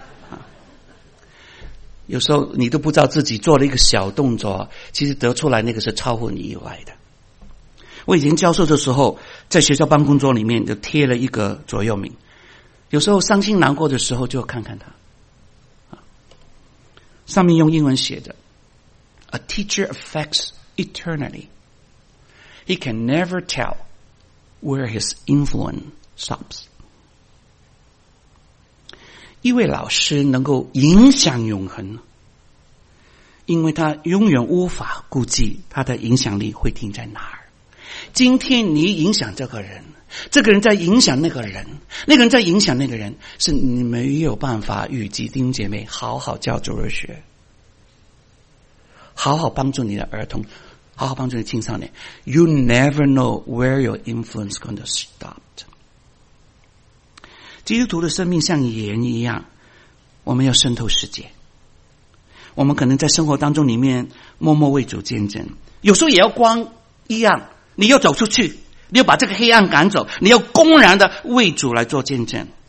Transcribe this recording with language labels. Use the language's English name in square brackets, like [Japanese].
[Chinese] 啊，有时候你都不知道自己做了一个小动作，其实得出来那个是超乎你以外的。我以前教授的时候，在学校办公桌里面就贴了一个左右铭，有时候伤心难过的时候就看看他，上面用英文写的 [English] A teacher affects eternity. He can never tell where his influence stops. [Chinese] 一位老师能够影响永恒，因为他永远无法估计他的影响力会停在哪儿。今天你影响这个人，这个人在影响那个人，那个人在影响那个人，是你没有办法与基督姐妹好好教主日学，好好帮助你的儿童，好好帮助你的青少年。 [English] You never know where your influence is going to stop. [Chinese] 基督徒的生命像盐一样，我们要渗透世界。我们可能在生活当中里面默默为主见证，有时候也要光一样，你要走出去，你要把这个黑暗赶走，你要公然的为主来做见证。